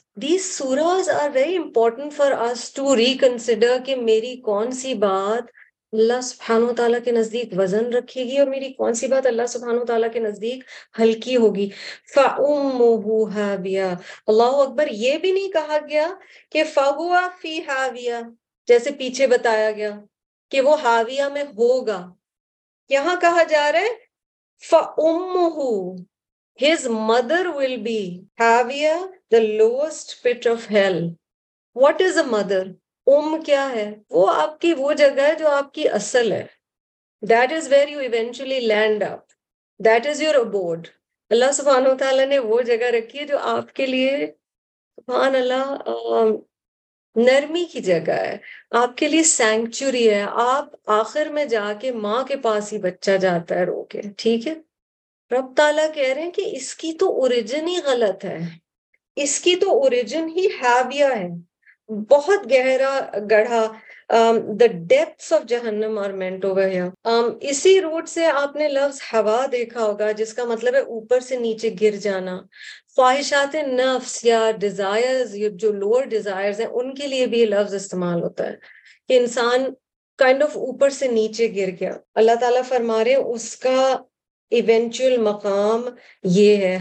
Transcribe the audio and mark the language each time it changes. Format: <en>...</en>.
<en>these سورہز are very important for us to reconsider</en> <ur>کہ میری کون سی بات اللہ سبحانہ و تعالیٰ کے نزدیک وزن رکھے گی اور میری کون سی بات اللہ سبحانہ و تعالیٰ کے نزدیک ہلکی ہوگی.</ur> <ar>فَأُمُّهُ هَاوِيَةٌ,</ar> <ur>اللہ اکبر, یہ بھی نہیں کہا گیا کہ</ur> <ar>فَهُوَ فِي هَاوِيَةٌ,</ar> <ur>جیسے پیچھے بتایا گیا کہ وہ ہاویہ میں ہوگا. یہاں کہا جا رہا ہے</ur> <en>فَأُمُّهُ, his mother will be ہاویہ, the lowest pit of hell. What is a mother?</en> <ur>ام کیا ہے؟ وہ آپ کی وہ جگہ ہے جو آپ کی اصل ہے.</ur> <en>That is where you eventually land up. That is your abode.</en> <ur>اللہ سبحانہ وتعالی نے وہ جگہ رکھی ہے جو آپ کے لیے, سبحان اللہ, نرمی کی جگہ ہے, آپ کے لیے سینکچوری ہے. آپ آخر میں جا کے ماں کے پاس ہی بچہ جاتا ہے رو کے, ٹھیک ہے. رب تعالیٰ کہہ رہے ہیں کہ اس کی تو اوریجن ہی غلط ہے, اس کی تو اوریجن ہی ہاویہ ہے, بہت گہرا گڑھا.</ur> <en>The depths of جہنم are meant over here.</en> <ur>اسی روٹ سے آپ نے لفظ ہوا دیکھا ہوگا جس کا مطلب ہے اوپر سے نیچے گر جانا. خواہشات نفس یا ڈیزائرز, جو</ur> <en>lower desires</en> <ur>ہیں, ان کے لیے بھی یہ لفظ استعمال ہوتا ہے کہ انسان</ur> <en>kind of</en> <ur>اوپر سے نیچے گر گیا. اللہ تعالیٰ فرما رہے ہیں اس کا ایونچوئل مقام یہ ہے.</ur>